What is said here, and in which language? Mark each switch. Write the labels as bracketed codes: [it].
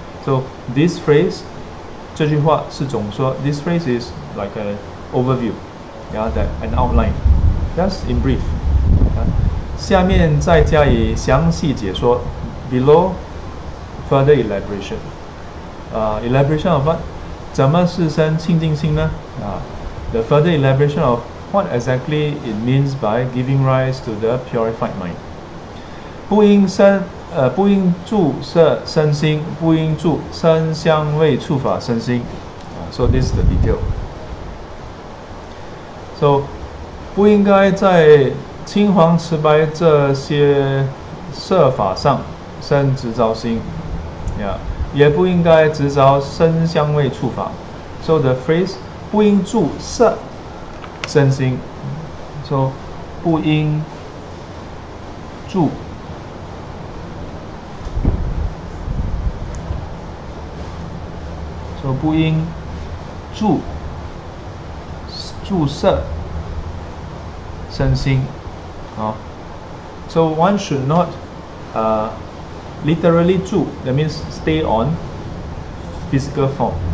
[en] So this phrase, [zh] 这句话是总说 [en] This phrase is like an overview, yeah, that an outline, just in brief. Yeah. [zh] 下面再加以详细解说 [en] Below, further elaboration. Elaboration of what? [zh] 怎么是生清净心呢？ [en] The further elaboration of what exactly it means by giving rise to the purified mind. [zh] 不应生不应住色身心，不应住声香味触法身心。 [en] So this is the detail. [zh] So 不应该在青黄赤白这些色法上生执着心。 [en] Yeah. [zh] 也不应该执着声香味触法。 [en] So the phrase [zh] 不应住色身心。 So 不应住。不应注色身心、 [en] So one should not literally 注 that means stay on physical form.